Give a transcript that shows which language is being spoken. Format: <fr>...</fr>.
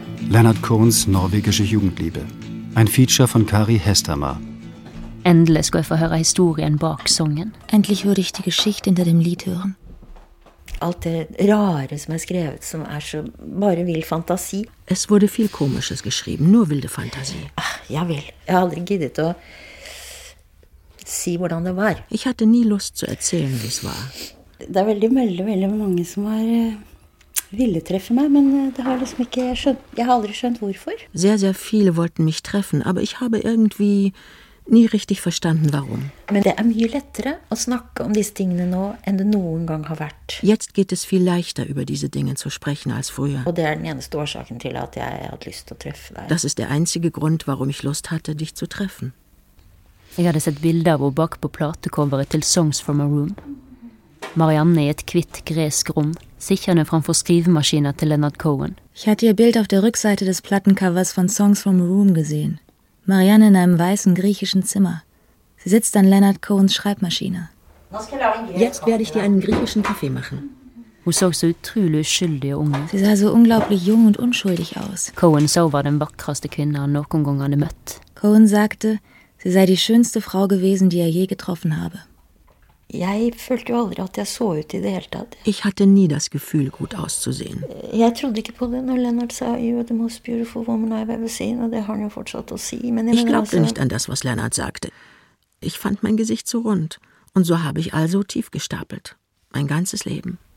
<de>Leonard Cohns norwegische Jugendliebe. Ein Feature von Kari Hestermar.</de> <no>Endlich skal jeg få høre historien bak sangen.</no> <de>Endlich hör ich die Geschichte hinter dem Lied hören.</de> <no>Alt det rare som er skrevet, som er så bare vild fantasi.</no> <de>Es wurde viel komisches geschrieben, nur wilde Fantasie.</de> <no>Ach, ja vel. Jeg har aldri giddet å si hvordan det var.</no> <de>Ich hatte nie Lust zu erzählen, wie es war.</de> <no>Det veldig, veldig, veldig mange som har... ville treffe meg, men det har liksom ikke skjønt. Jeg har aldri skjønt hvorfor.</no> <de>Sehr, sehr viele wollten mich treffen, aber ich habe irgendwie nie richtig verstanden warum.</de> <no>Men det er mye lettere å snakke om disse tingene nå enn det noen gang har vært.</no> <de>Jetzt geht es viel leichter über diese Dinge zu sprechen als früher.</de> <no>Og det er den eneste årsaken til at jeg hadde lyst til å treffe deg.</no> <de>Das ist der einzige Grund, warum ich Lust hatte, dich zu treffen.</de> <no>Jeg hadde sett bilder av bak på platecoveret til Songs from a Room. Marianne i et kvitt gresk rom, sichernde framfor skrivemaskiner til Leonard Cohen.</no> <de>Ich hatte ihr Bild auf der Rückseite des Plattencovers von Songs from a Room gesehen. Marianne in einem weißen griechischen Zimmer. Sie sitzt an Leonard Cohens Schreibmaschine. Jetzt werde ich dir einen griechischen Kaffee machen.</de> <no>Hun så så utrolig uskyldig og ung.</no> <de>Sie sah so unglaublich jung und unschuldig aus.</de> <no>Cohen så var den vakreste kvinne han noen gang hadde møtt.</no> <de>Cohen sagte, sie sei die schönste Frau gewesen, die er je getroffen habe.</de> <no>Jeg følte jo aldri at jeg så ut i det hele tatt.</no> <de>Ich hatte nie das Gefühl, gut auszusehen.</de> <no>Jeg trodde ikke på det når Leonard sa</no> <en>«You are the most beautiful woman I've ever seen»,</en> <no>og det har han jo fortsatt å si. Men</no> <de>ich glaubte nicht an das, was Leonard sagte. Ich fand mein Gesicht so rund, und so habe ich also tief gestapelt. Mein ganzes Leben.</de>